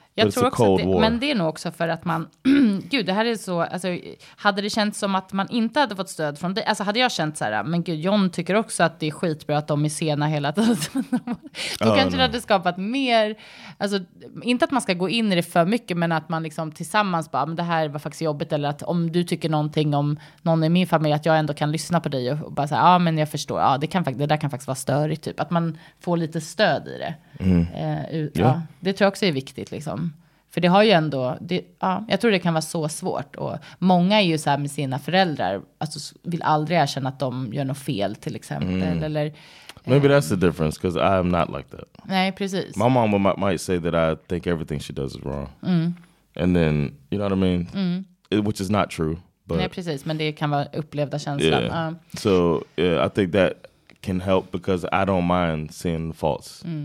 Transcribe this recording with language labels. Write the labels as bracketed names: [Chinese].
[Swedish] Jag tror också att det, men det är nog också för att man, gud det här är så, alltså, hade det känts som att man inte hade fått stöd från det, alltså hade jag känt så här, men gud John tycker också att det är skitbra att de är sena hela tiden, då kanske det hade skapat mer, alltså inte att man ska gå in i det för mycket, men att man liksom tillsammans bara, men det här var faktiskt jobbigt, eller att om du tycker någonting om någon i min familj, att jag ändå kan lyssna på dig och bara säga, ja men jag förstår, ja det kan faktiskt, det där kan faktiskt vara störigt typ, att man får lite stöd i det. Ja, det tror jag också är viktigt liksom. För det har ju ändå det, ja, jag tror det kan vara så svårt. Och många är ju så här med sina föräldrar, alltså vill aldrig erkänna att de gör något fel till exempel. Eller, [English] maybe that's the difference, because I'm not like that. [Swedish] Nej, precis. [English] My mom might say that I think everything she does is wrong. And then, you know what I mean? Which is not true, but [Swedish] nej, precis, men det kan vara upplevda känslan. [English] Yeah. So yeah, I think that can help, because I don't mind seeing faults.